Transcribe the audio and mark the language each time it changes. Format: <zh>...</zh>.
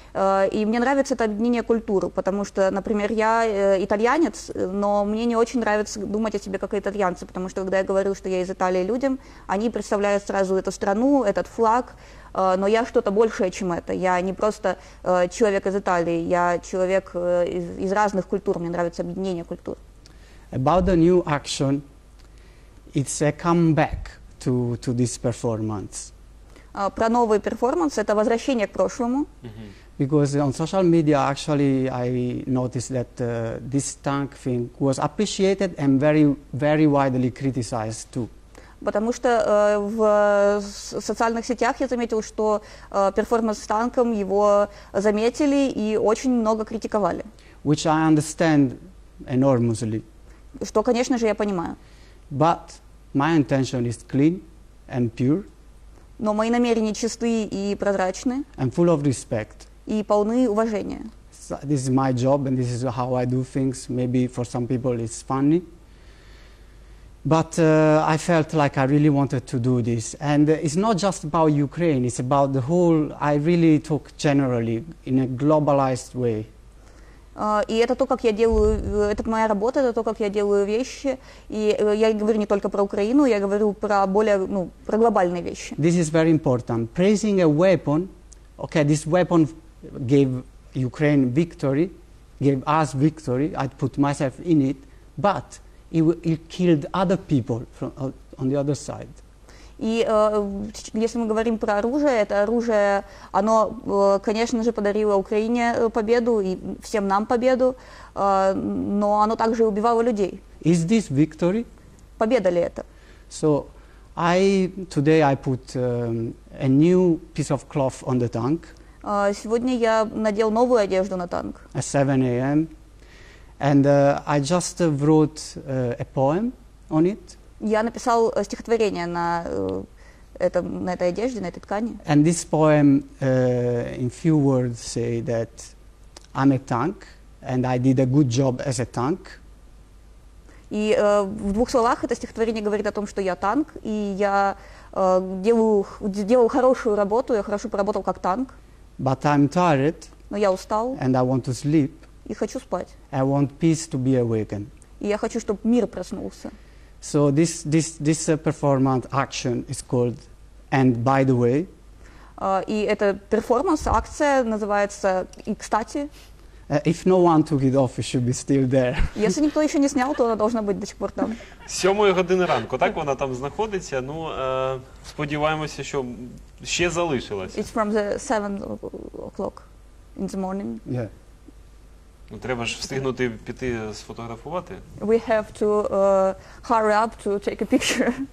<ru>И мне нравится это объединение культур, потому что, например, я итальянец, но мне не очень нравится думать о себе как итальянце, потому что когда я говорю, что я из Италии людям, они представляют сразу эту страну, этот флаг. Но я что-то большее, чем это. Я не просто человек из Италии, я человек из разных культур. Мне нравится объединение культур.</ru> <en>About the new action, it's a comeback to this performance.</en> <ru>Про новый перформанс – это возвращение к прошлому. Mm-hmm.</ru> <en>Because on social media, actually, I noticed that this tank thing was appreciated and very, very widely criticized too.</en> <ru>Потому что в социальных сетях я заметил, что перформанс с танком его заметили и очень много критиковали.</ru> <en>Which I understand enormously.</en> <ru>Что, конечно же, я понимаю.</ru> <en>But my intention is clean and pure.</en> <ru>Но мои намерения чисты и прозрачны.</ru> <en>And full of respect.</en> <ru>И полны уважения.</ru> <en>So this is my job and this is how I do things. Maybe for some people it's funny. But I felt like I really wanted to do this. And it's not just about Ukraine, it's about the whole, I really talk generally in a globalized way.</en> <ru>И это то, как я делаю, это моя работа, это то, как я делаю вещи. И я говорю не только про Украину, я говорю про более, ну, про глобальные вещи.</ru> <en>This is very important. Praising a weapon, okay, this weapon gave Ukraine victory, gave us victory, I put myself in it, but it killed other people from, on the other side.</en> <ru>И если мы говорим про оружие, это оружие, оно, конечно же, подарило Украине победу и всем нам победу, но оно также убивало людей.</ru> <en>Is this victory?</en> <ru>Победа ли это?</ru> <en>So, today I put a new piece of cloth on the tank.</en> <ru>Сегодня я надел новую одежду на танк.</ru> <en>At 7 a.m. And I just wrote a poem on it.</en> <ru>Я написал стихотворение на этом, на этой одежде, на этой ткани.</ru> <en>And this poem, in few words, say that I'm a tank and I did a good job as a tank.</en> <ru>И в двух словах это стихотворение говорит о том, что я танк и я делал хорошую работу, я хорошо поработал как танк.</ru> <en>But I'm tired.</en> <ru>Но я устал.</ru> <en>And I want to sleep.</en> <ru>И хочу спать.</ru> <en>I want peace to be awakened.</en> <ru>И я хочу, чтобы мир проснулся.</ru> <en>So this performance action is called "And by the way".</en> <ru>И это перформанс, акция называется "И кстати".</ru> <en>If no one took it off, it should be still there.</en> <ru>Если никто еще не снял, то она должна быть до сих пор там.</ru> <uk>Сьомої години ранку, так вона там знаходиться. Ну, сподіваємося, що ще залишилася.</uk> <en>It's from the 7 o'clock in the morning. Yeah.</en> <uk>Ну, треба ж встигнути піти сфотографувати.</uk> <en>We have to hurry up to take a picture.</en>